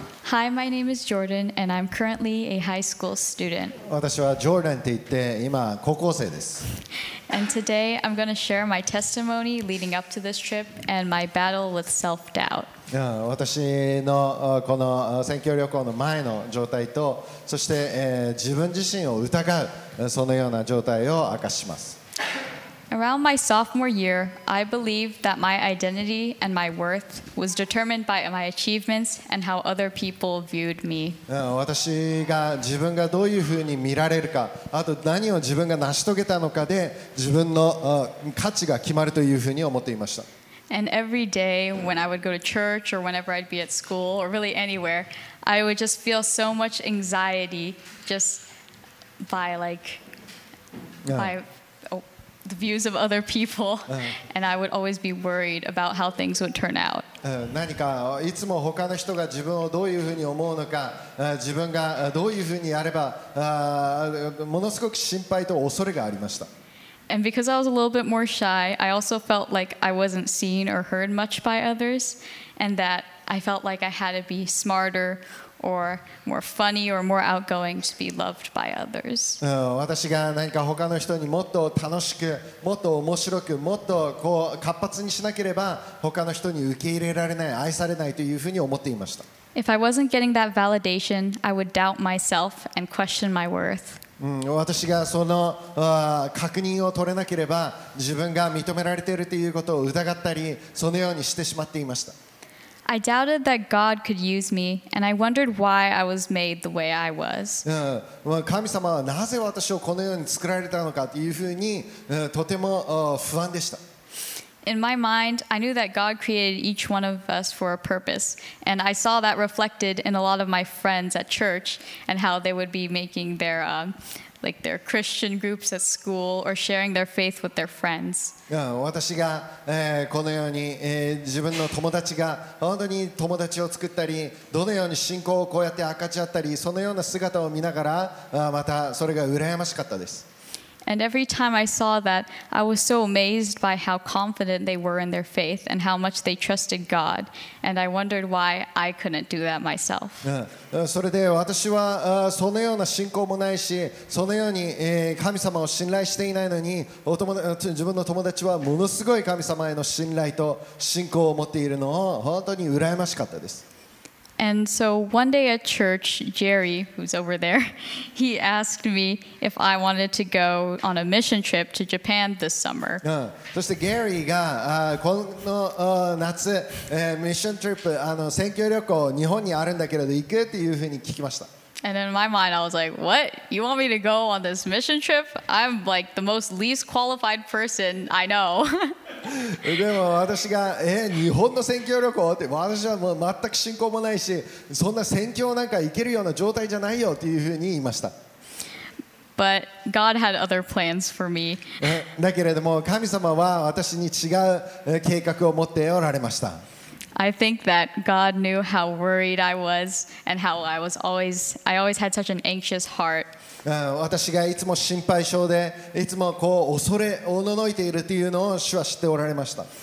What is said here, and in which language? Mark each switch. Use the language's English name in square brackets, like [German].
[English] Hi, my name is Jordan, and I'm currently a high school student. [Japanese] 私はジョーダンって言って、今高校生です。 [English] And today, I'm going to share my testimony leading up to this trip and my battle with self-doubt. [Japanese] 私のこの選挙旅行の前の状態と、そして自分自身を疑う、そのような状態を明かします。 [English] Around my sophomore year, I believed that my identity and my worth was determined by my achievements and how other people viewed me. [Japanese] 私が自分がどういうふうに見られるか、あと何を自分が成し遂げたのかで自分の価値が決まるというふうに思っていました。 [English] And every day when I would go to church or whenever I'd be at school or really anywhere, I would just feel so much anxiety just by like, the views of other people, and I would always be worried about how things would turn out. [Japanese] 何かいつも他の人が自分をどういうふうに思うのか、自分がどういうふうにやれば、ものすごく心配と恐れがありました。 [English] And because I was a little bit more shy, I also felt like I wasn't seen or heard much by others, and that I felt like I had to be smarter. Or more funny or more outgoing to be loved by others. [Japanese] 私が何か他の人にもっと楽しく、もっと面白く、もっとこう活発にしなければ、他の人に受け入れられない、愛されないというふうに思っていました。 [English] If I wasn't getting that validation, I would doubt myself and question my worth. [Japanese] 私がその確認を取れなければ、自分が認められているということを疑ったり、そのようにしてしまっていました。 [English] I doubted that God could use me, and I wondered why I was made the way I was. [Japanese] 神様はなぜ私をこのように作られたのかというふうにとても不安でした。 [English] In my mind, I knew that God created each one of us for a purpose, and I saw that reflected in a lot of my friends at church and how they would be making their, like their Christian groups at school or sharing their faith with their friends. [Japanese] 私が、このように、自分の友達が本当に友達を作ったり、どのように信仰をこうやって明かし合ったり、そのような姿を見ながら、またそれが羨ましかったです。 [English] And every time I saw that, I was so amazed by how confident they were in their faith and how much they trusted God. And I wondered why I couldn't do that myself. [Japanese] それで私はそのような信仰もないし、そのように神様を信頼していないのに、自分の友達はものすごい神様への信頼と信仰を持っているのを本当に羨ましかったです。 [English] And so one day at church, Jerry, who's over there, he asked me if I wanted to go on a mission trip to Japan this summer. [Japanese] そしてゲリーがこの夏、ミッショントリップ、選挙旅行、日本にあるんだけれど行くっていうふうに聞きました。 [English] And in my mind, I was like, what? You want me to go on this mission trip? I'm like the most least qualified person I know. [Japanese] でも私が、日本の選挙旅行って、私はもう全く信仰もないし、そんな選挙なんか行けるような状態じゃないよっていうふうに言いました。 [English] But God had other plans for me. [Japanese] だけれども神様は私に違う計画を持っておられました。 [English] I think that God knew how worried I was and how I always had such an anxious heart. [Japanese] 私がいつも心配性で、いつもこう恐れおののいているっていうのを主は知っておられました。